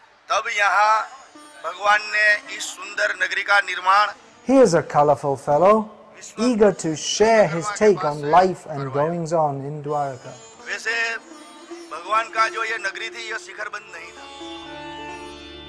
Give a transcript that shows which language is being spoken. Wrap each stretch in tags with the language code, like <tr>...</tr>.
<hi>तब यहां भगवान ने इस सुंदर नगरी का निर्माण</hi> <en>He is a colorful fellow eager to share his take on life and goings on in Dwarka.</en> <hi>वैसे भगवान का जो यह नगरी थी यह शिखरबंद नहीं था</hi>